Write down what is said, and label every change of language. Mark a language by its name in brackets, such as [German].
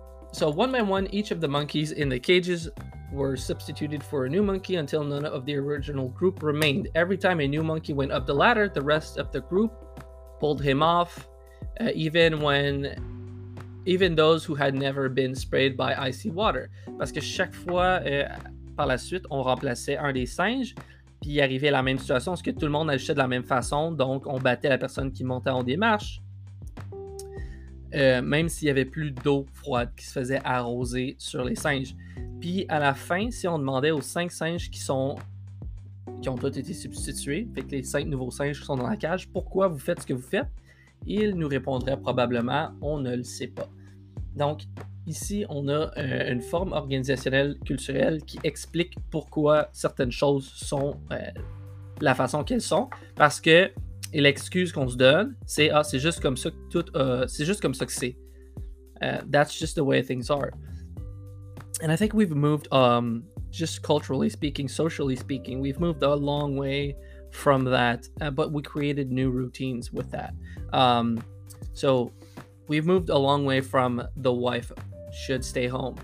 [English] So one by one, each of the monkeys in the cages were substituted for a new monkey until none of the original group remained. Every time a new monkey went up the ladder, the rest of the group pulled him off, even those who had never been sprayed by icy water. [French] Parce que chaque fois, par la suite, on remplaçait un des singes, puis il arrivait la même situation, parce que tout le monde agissait de la même façon, donc on battait la personne qui montait en démarche. Même s'il n'y avait plus d'eau froide qui se faisait arroser sur les singes. Puis à la fin, si on demandait aux 5 singes qui ont tous été substitués, fait que les 5 nouveaux singes qui sont dans la cage, pourquoi vous faites ce que vous faites, ils nous répondraient probablement « on ne le sait pas ». Donc ici, on a une forme organisationnelle culturelle qui explique pourquoi certaines choses sont la façon qu'elles sont, parce que et l'excuse qu'on se donne, c'est « Ah, c'est juste comme ça que tout... c'est juste comme ça que c'est. [English] That's just the way things are. » And I think we've moved, just culturally speaking, socially speaking, we've moved a long way from that, but we created new routines with that. So, we've moved a long way from the wife should stay home.